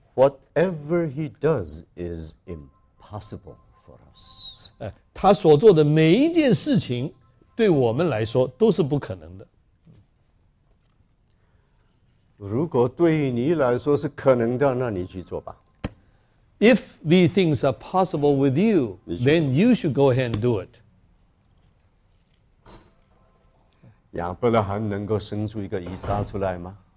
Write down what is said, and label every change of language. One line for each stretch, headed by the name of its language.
English: Whatever he does is impossible for us.
Chinese: 他所做的每一件事情对我们来说都是不可能的。如果对你来说是可能的，那你去做吧。
English: If these things are possible with you, then you should go ahead and do it.
Chinese: 亚伯拉罕能够生出一个以撒出来吗？